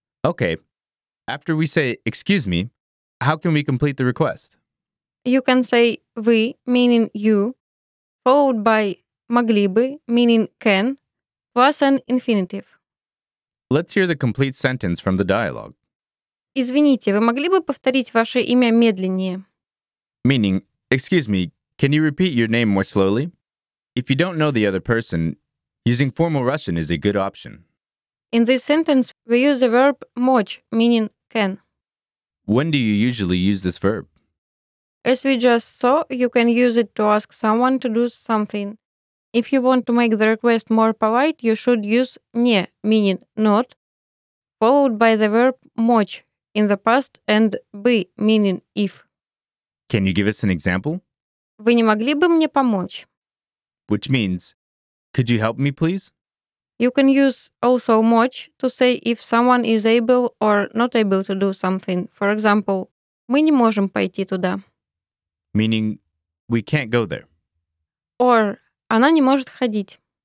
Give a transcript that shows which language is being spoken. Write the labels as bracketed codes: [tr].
[en] Okay, after we say «excuse me», how can we complete the request? You can say «вы», meaning «you», followed by «могли бы», meaning «can», plus an infinitive. Let's hear the complete sentence from the dialogue. [ru] «Извините, вы могли бы повторить ваше имя медленнее?» [en] Meaning, excuse me, can you repeat your name more slowly? If you don't know the other person, using formal Russian is a good option. In this sentence, we use the verb «мочь», meaning «can». When do you usually use this verb? As we just saw, you can use it to ask someone to do something. If you want to make the request more polite, you should use «не», meaning «not», followed by the verb «мочь» in the past and «бы», meaning «if». Can you give us an example? [ru] Вы не могли бы мне помочь? [en] Which means, could you help me, please? You can use also «мочь» to say if someone is able or not able to do something. For example, [ru] мы не можем пойти туда. [en] Meaning, we can't go there. [ru] Or, она не может ходить.